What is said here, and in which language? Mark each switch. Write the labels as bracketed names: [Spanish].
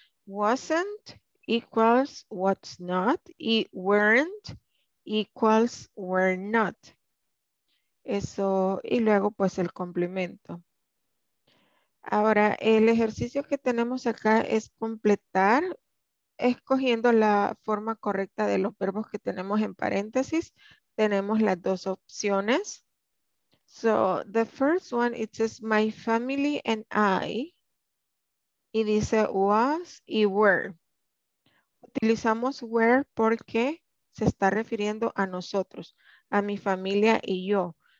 [English] Wasn't equals what's not y weren't equals were not. [Spanish] Eso, y luego pues el complemento. Ahora, el ejercicio que tenemos acá es completar escogiendo la forma correcta de los verbos que tenemos en paréntesis. Tenemos las dos opciones. [English] So, the first one, it says my family and I. [Spanish] Y dice was y were. Utilizamos were porque se está refiriendo a nosotros, a mi familia y yo.